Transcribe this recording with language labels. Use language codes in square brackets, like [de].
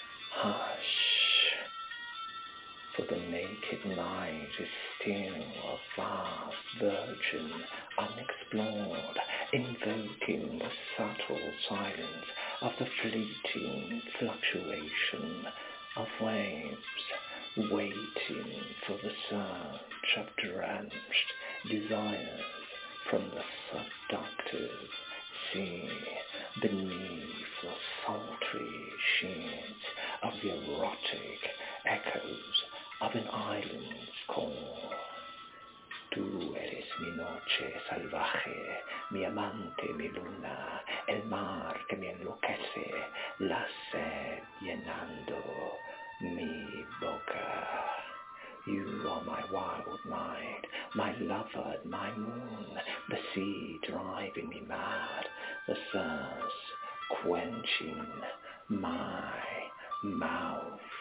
[en] Hush, for the naked night is still a vast virgin unexplored, invoking the subtle silence of the fleeting fluctuation of waves, waiting for the surge of drenched desires from the seductive sea beneath the sultry sheet of the erotic echoes of an island's call. [es] Tú eres mi noche salvaje, mi amante, mi luna, el mar que me enloquece, la sed llenando mi boca. [en] You are my wild night, my lover, my moon, the sea driving me mad, the thirst quenching my mouth.